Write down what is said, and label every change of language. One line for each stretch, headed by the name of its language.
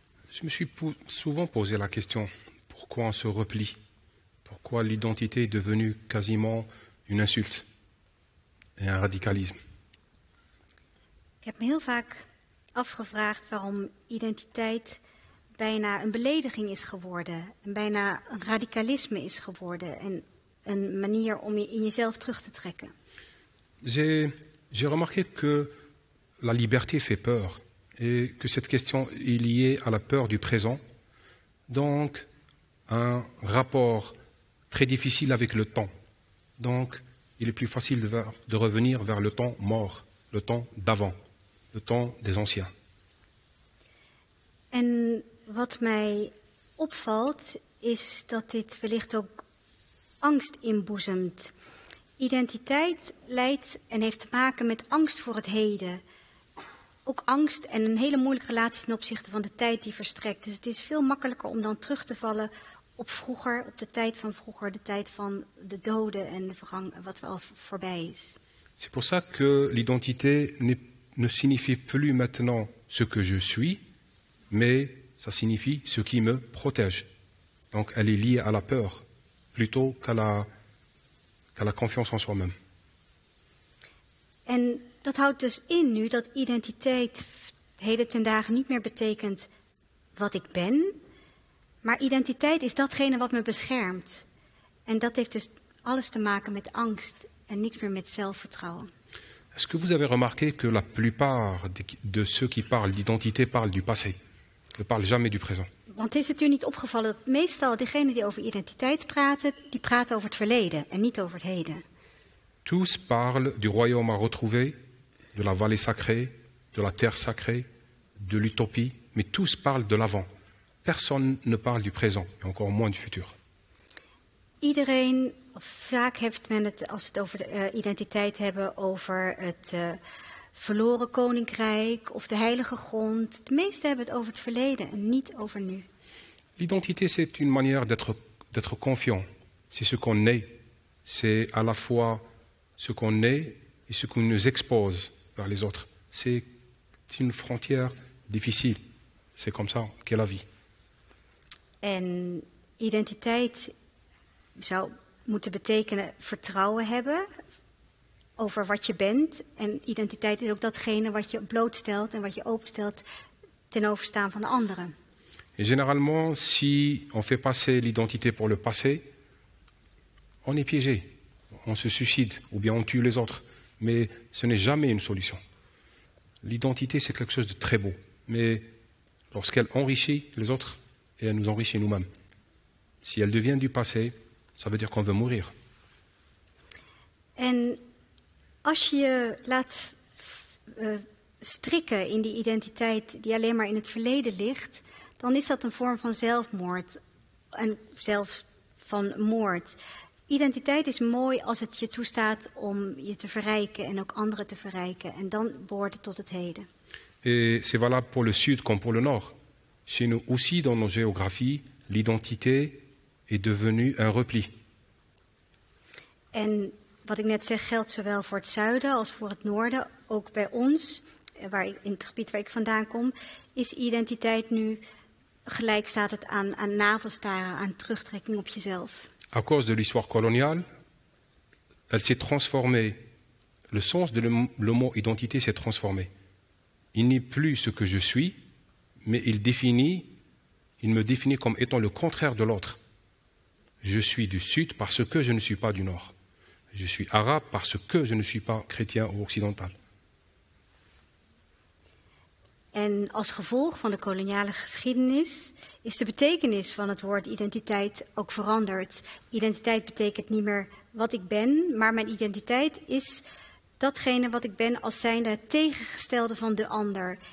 French: Je me suis souvent posé la question, pourquoi on se replie? Pourquoi l'identité est devenue quasiment une insulte et un radicalisme?
Dutch: Ik heb me heel vaak afgevraagd waarom identiteit bijna een belediging is geworden en bijna een radicalisme is geworden en een manier om je in jezelf terug te trekken.
French: J'ai remarqué que la liberté fait peur et que cette question est liée à la peur du présent. Donc un rapport très difficile avec le temps. Donc il est plus facile de revenir vers le temps mort, le temps d'avant, le temps des anciens.
Dutch: En wat mij opvalt is dat dit wellicht ook angst inboezemt. Identiteit leidt en heeft te maken met angst voor het heden. Ook angst en een hele moeilijke relatie ten opzichte van de tijd die verstrekt. Dus het is veel makkelijker om dan terug te vallen op vroeger, op de tijd van vroeger, de tijd van de doden en de vergang, wat wel voorbij is.
French: C'est pour ça que l'identité ne signifie plus maintenant ce que je suis, mais ça signifie ce qui me protège. Donc elle est liée à la peur, plutôt qu'à la confiance en soi-même.
Dutch: En dat houdt dus in nu dat identiteit heden ten dagen niet meer betekent wat ik ben, maar identiteit is datgene wat me beschermt. En dat heeft dus alles te maken met angst en niks meer met zelfvertrouwen.
French: Est-ce que vous avez remarqué que la plupart de ceux qui parlent d'identité parlent du passé, ne parlent jamais du présent?
Dutch: Want is het u niet opgevallen dat meestal degenen die over identiteit praten, die praten over het verleden en niet over het heden?
French: Tous parlent du royaume à retrouver, de la vallée sacrée, de la terre sacrée, de l'utopie, mais tous parlent de l'avant. Personne ne parle du présent, et encore moins du futur.
Dutch: Iedereen, vaak heeft men het, als het over de identiteit hebben, over het verloren koninkrijk of de heilige grond. De meeste hebben het over het verleden en niet over nu.
French: L'identité, c'est une manière d'être confiant. C'est ce qu'on est. C'est à la fois ce qu'on est et ce qu'on nous expose vers les autres. C'est une frontière difficile. C'est comme ça qu'est la vie.
Dutch: En identiteit zou moeten betekenen vertrouwen hebben over wat je bent. En identiteit is ook datgene wat je blootstelt en wat je openstelt ten overstaan van de anderen.
French: Et généralement, si on fait passer l'identité pour le passé, on est piégé. On se suicide ou bien on tue les autres. Mais ce n'est jamais une solution. L'identité, c'est quelque chose de très beau. Mais lorsqu'elle enrichit les autres, et elle nous enrichit nous-mêmes. Si elle devient du passé, ça veut dire qu'on veut mourir.
Dutch: Et als je laat strikken in die identiteit die alleen maar in het verleden ligt, dan is dat een vorm van zelfmoord en zelf van moord. Identiteit is mooi als het je toestaat om je te verrijken en ook anderen te verrijken. En dan behoort het tot het heden.
French: Et c'est valable pour le sud comme pour le nord. Chez nous aussi, dans nos géographies, l'identité est devenue un repli.
Dutch: En wat ik net zeg geldt zowel voor het zuiden als voor het noorden. Ook bij ons, in het gebied waar ik vandaan kom, is identiteit nu gelijk staat het aan navelstaren, aan terugtrekking op jezelf.
French: À cause de l'histoire coloniale, elle s'est transformée. Le sens de le mot identité s'est transformé. Il n'est plus ce que je suis, mais il me définit comme étant le contraire de l'autre. Je suis du sud parce que je ne suis pas du nord. Je suis arabe parce que je ne suis pas chrétien ou occidental.
Dutch: En als gevolg van de koloniale geschiedenis is de betekenis van het woord identiteit ook veranderd. Identiteit betekent niet meer wat ik ben, maar mijn identiteit is datgene wat ik ben als zijnde het tegengestelde van de ander.